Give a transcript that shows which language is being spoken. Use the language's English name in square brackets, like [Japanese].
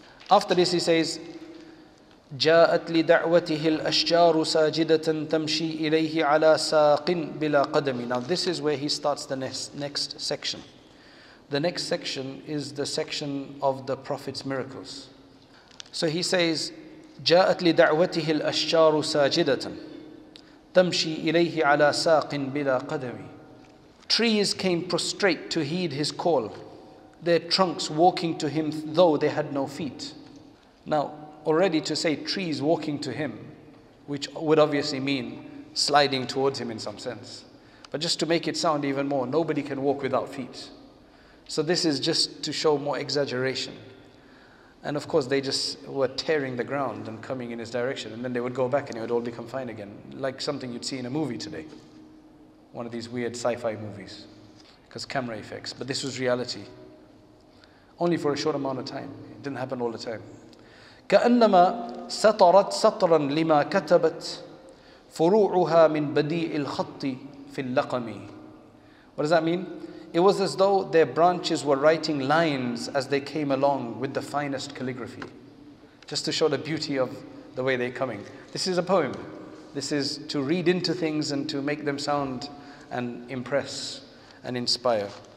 [English] After this, he says, [Arabic] جاءت لدعوته الأشجار ساجدة تمشي إليه على ساق بلا قدم. [English] Now this is where he starts the next section. The next section is the section of the Prophet's miracles. So he says, [Arabic] جاءت لدعوته الأشجار ساجدة تمشي إليه على ساق بلا قدم. [English] Trees came prostrate to heed his call, their trunks walking to him though they had no feet. Now, already to say trees walking to him, which would obviously mean sliding towards him in some sense. But just to make it sound even more, nobody can walk without feet. So this is just to show more exaggeration. And of course they just were tearing the ground and coming in his direction. And then they would go back and it would all become fine again. Like something you'd see in a movie today. One of these weird sci-fi movies. Because camera effects. But this was reality. Only for a short amount of time. It didn't happen all the time. [Arabic] كأنما سطرت سطرا لما كتبت فروعها من بديع الخط في اللقم. [English] What does that mean? It was as though their branches were writing lines as they came along with the finest calligraphy. Just to show the beauty of the way they're coming. This is a poem. This is to read into things and to make them sound and impress and inspire.